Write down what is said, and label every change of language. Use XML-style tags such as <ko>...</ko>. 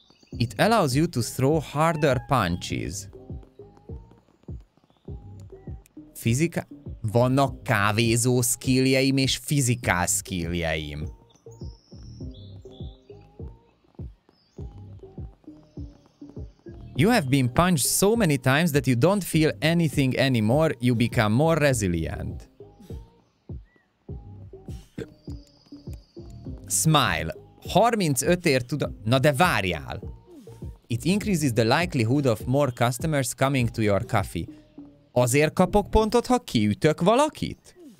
<en>It allows you to throw harder punches.</en> <hu>Fizika... Vannak kávézó skilljeim és fizikál skilljeim.</hu> <en>You have been punched so many times that you don't feel anything anymore, you become more resilient. Smile.</en> <hu>35-ért tud... Na de várjál!</hu> <en>It increases the likelihood of more customers coming to your cafe.</en> <hu>Azért kapok pontot, ha kiütök valakit?</hu>